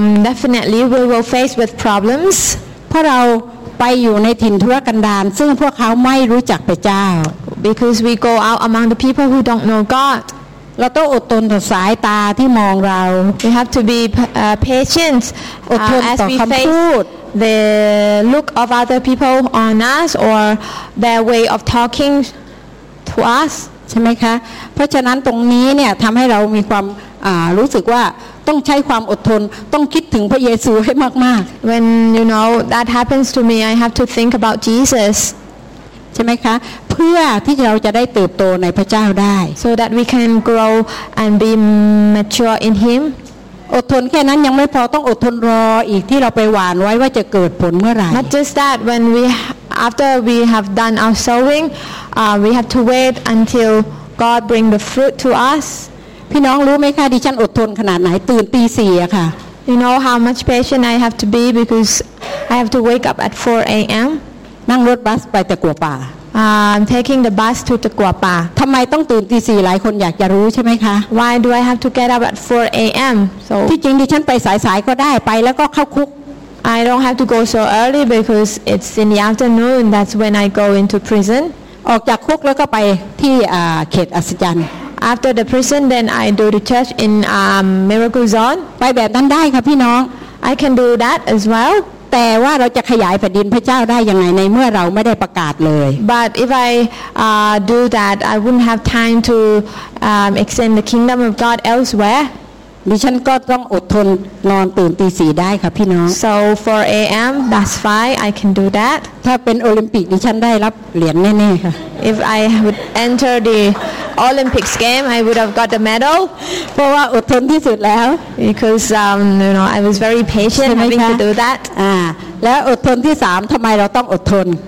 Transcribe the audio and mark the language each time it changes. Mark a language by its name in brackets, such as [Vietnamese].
[English] Definitely, we will face with problems. [Thai] เพราะเราไปอยู่ในถิ่นทุรกันดารซึ่งพวกเขาไม่รู้จักพระเจ้า [English] Because we go out among the people who don't know God. [Thai] เราต้องอดทนต่อสายตาที่มองเรา [English] We have to be patient [Thai] อดทนต่อคำพูด [English] The look of other people on us or their way of talking to us [Thai] ใช่ไหมคะเพราะฉะนั้นตรงนี้เนี่ยทำให้เรามีความรู้สึกว่าต้องใช้ความอดทนต้องคิดถึงพระเยซูให้มาก [English] ๆ When you know that happens to me I have to think about Jesus [Thai] ใช่ไหมคะเพื่อที่เราจะได้เติบโตในพระเจ้าได้ [English] so that we can grow and be mature in him [Thai] อดทนแค่นั้นยังไม่พอต้องอดทนรออีกที่เราไปหว่านไว้ว่าจะเกิดผลเมื่อไหร่ [English] not just that when we after we have done our sowing we have to wait until God bring the fruit to us [Thai] พี่น้องรู้ไหมคะดิฉันอดทนขนาดไหนตื่นตีสี่ค่ะ [English] you know how much patient I have to be because I have to wake up at 4 a.m. [Thai] นั่งรถบัสไปตะกั่วป่า [English] taking the bus to ตะกั่วป่า [Thai] ทำไมต้องตื่นตีสี่หลายคนอยากจะรู้ใช่ไหมคะ [English] Why do I have to get up at 4 a.m. [Thai] so ที่จริงดิฉันไปสายๆก็ได้ไปแล้วก็เข้าคุก [English] I don't have to go so early because it's in the afternoon that's when I go into prison [Thai] ออกจากคุกแล้วก็ไปที่เขตอัศจรรย์ [English] After the prison then I do the church in miracle zone [Thai] ไปแบบนั้นได้ค่ะพี่น้อง [English] I can do that as well [Thai] แต่ว่าเราจะขยายแผ่นดินพระเจ้าได้ยังไงในเมื่อเราไม่ได้ประกาศเลย [English] But if I do that I wouldn't have time to extend the kingdom of God elsewhere [Thai] ดิฉันก็ต้องอดทนนอนตื่นตีสี่ได้ค่ะพี่น้อง [English] So 4 a.m. that's fine I can do that [Thai] ถ้าเป็นโอลิมปิกดิฉันได้รับเหรียญแน่ๆค่ะ [English] If I would enter the Olympics game I would have got the medal [Thai] เพราะว่าอดทนที่สุดแล้ว [English] Because you know I was very patient having to do that [Thai] แล้วอดทนที่สามทำไมเราต้องอดทน